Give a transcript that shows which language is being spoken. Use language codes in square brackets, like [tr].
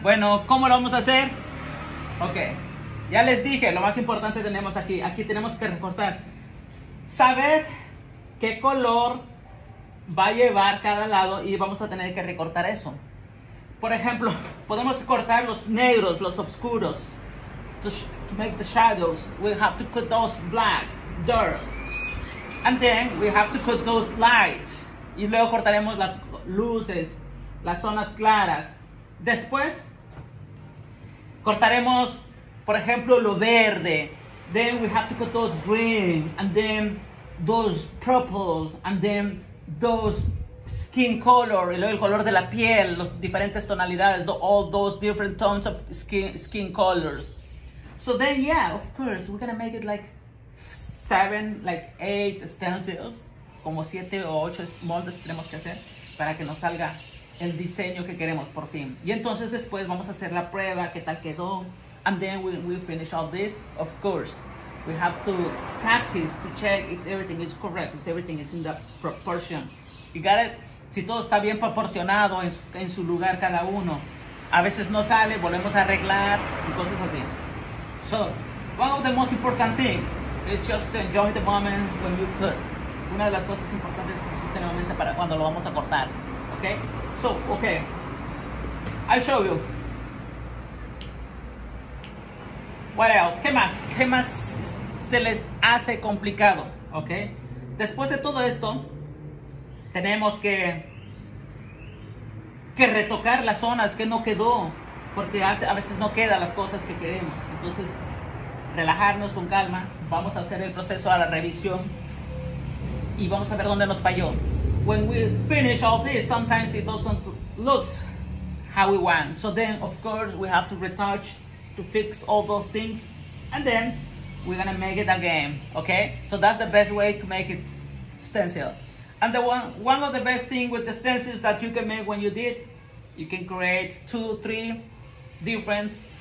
[es] Bueno, ¿cómo lo vamos a hacer? Ok. Ya les dije, lo más importante tenemos aquí. Aquí tenemos que recortar. Saber qué color va a llevar cada lado y vamos a tener que recortar eso. Por ejemplo, podemos cortar los negros, los oscuros. [en] To make the shadows, we have to cut those black, dark. And then we have to cut those lights. [es] Y luego cortaremos las luces, las zonas claras. Después, cortaremos, por ejemplo, lo verde. [en] Then we have to cut those green, and then those purples, and then those skin color, [es] y luego el color de la piel, las diferentes tonalidades, [en] all those different tones of skin colors. So then, yeah, of course, we're gonna make it like 7, 8 stencils, [es] como 7 o 8 moldes tenemos que hacer para que nos salga el diseño que queremos por fin. Y entonces después vamos a hacer la prueba, qué tal quedó, [en] and then we finish all this, of course. We have to practice to check if everything is correct, if everything is in the proportion. You got it? [es] Si todo está bien proporcionado en su lugar cada uno. A veces no sale, volvemos a arreglar y cosas así. [en] So, one of the most important thing is just to enjoy the moment when you cut. [es] Una de las cosas importantes es disfrutar el momento para cuando lo vamos a cortar. [en] Okay? So, okay. I show you. What else? [es] ¿Qué más? ¿Qué más se les hace complicado? Okay? Después de todo esto, tenemos que retocar las zonas que no quedó, porque a veces no quedan las cosas que queremos. Entonces, relajarnos con calma, vamos a hacer el proceso a la revisión y vamos a ver dónde nos falló. [en] When we finish all this, sometimes it doesn't look how we want. So then, of course, we have to retouch to fix all those things, and then we're gonna make it again, okay? So that's the best way to make it stencil. And the one of the best thing with the stencils that you can make when you did, you can create 2, 3 different.